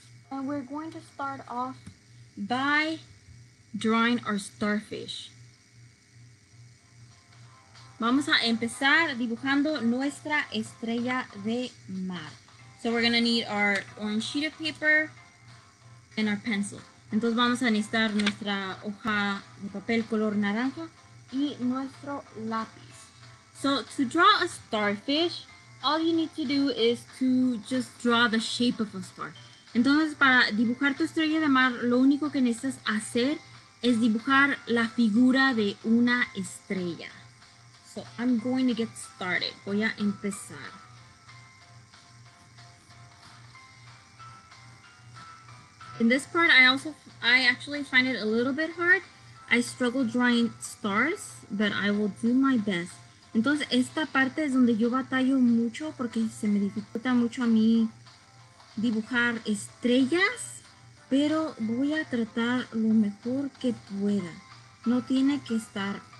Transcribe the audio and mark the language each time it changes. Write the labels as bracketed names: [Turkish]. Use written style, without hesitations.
[English] And we're going to start off by drawing our starfish. [Spanish] Vamos a empezar dibujando nuestra estrella de mar. [English] So we're going to need our orange sheet of paper and our pencil. [Spanish] Entonces, vamos a necesitar nuestra hoja de papel color naranja y nuestro lápiz. [English] So to draw a starfish, all you need to do is to just draw the shape of a star. [Spanish] Entonces, para dibujar tu estrella de mar, lo único que necesitas hacer es dibujar la figura de una estrella. [English] So I'm going to get started. [Spanish] Voy a empezar. [English] In this part, I actually find it a little bit hard. I struggle drawing stars, but I will do my best. [Spanish] Entonces, esta parte es donde yo batallo mucho porque se me dificulta mucho a mí dibujar estrellas, pero voy a tratar lo mejor que pueda. No tiene que estar